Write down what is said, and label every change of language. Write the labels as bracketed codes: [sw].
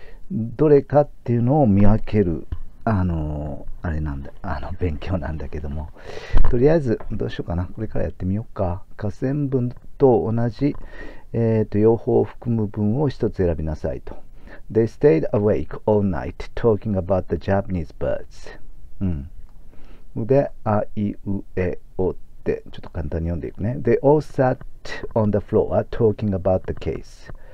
[ja] どれかっていうのを見分ける。あれなんだ、勉強なんだけども。とりあえず、どうしようかな。これからやってみようか。下線文と同じ、用法を含む文を一つ選びなさいと。 [en] They stayed awake all night talking about the Japanese birds. [ja] で、あいうえおって、ちょっと簡単に読んでいくね。 [en] They all sat on the floor talking about the case.